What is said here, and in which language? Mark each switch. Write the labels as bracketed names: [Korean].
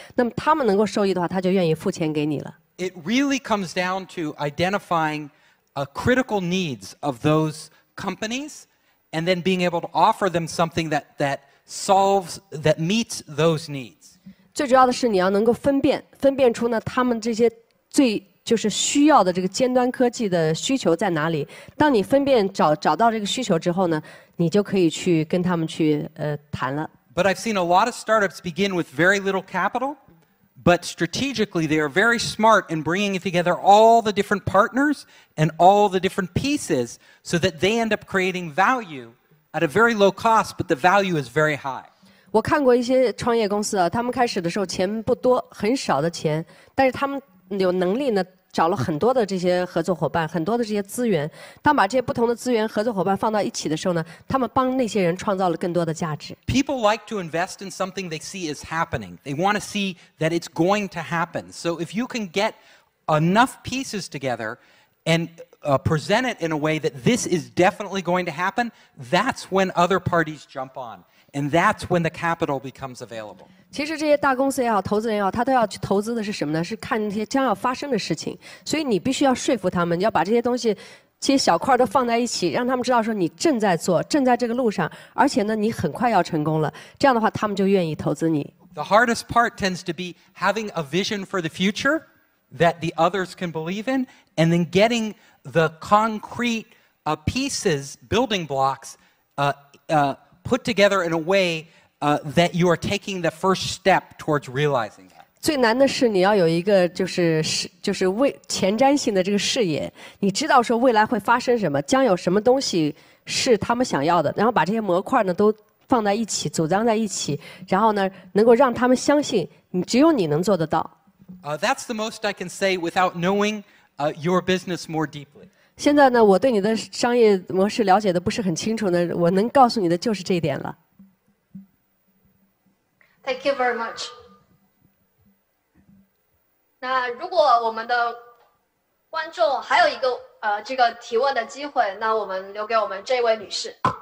[Chinese] 那么他们能够受益的话，他就愿意付钱给你了。 [English] It really comes down to identifying a critical needs of those companies. And then being able to offer them something that meets those needs. [Chinese] 最主要的是你要能够分辨出呢他们这些最就是需要的这个尖端科技的需求在哪里。当你分辨找到这个需求之后呢，你就可以去跟他们去谈了。 [English] But I've seen a lot of startups begin with very little capital, but strategically they are very smart in bringing together all the different partners and all the different pieces so that they end up creating value at a very low cost, but the value is very high. [Chinese] 我看过一些创业公司啊，他们开始的时候钱不多，很少的钱，但是他们有能力呢，找了很多的这些合作伙伴，很多的这些资源。当把这些不同的资源、合作伙伴放到一起的时候呢，他们帮那些人创造了更多的价值。 [English] People like to invest in something they see is happening. They want to see that it's going to happen. So if you can get enough pieces together and present it in a way that this is definitely going to happen, that's when other parties jump on, and that's when the capital becomes available. [Chinese] 其实这些大公司也好，投资人也好，他都要去投资的是什么呢？是看那些将要发生的事情。所以你必须要说服他们，你要把这些东西，这些小块都放在一起，让他们知道说你正在做，正在这个路上，而且呢，你很快要成功了。这样的话，他们就愿意投资你。 [English] The hardest part tends to be having a vision for the future that the others can believe in, and then getting the concrete pieces, building blocks, put together in a way. That you are taking the first step towards realizing that. [Chinese] 最难的是你要有一个就是为前瞻性的这个视野，你知道说未来会发生什么，将有什么东西是他们想要的，然后把这些模块呢都放在一起，组装在一起，然后呢能够让他们相信你，只有你能做得到。 [English] That's the most I can say without knowing your business more deeply. [Chinese] 现在呢，我对你的商业模式了解的不是很清楚呢，我能告诉你的就是这一点了。 [English] Thank you very much. [Chinese] 那如果我们的观众还有一个这个提问的机会，那我们留给我们这位女士。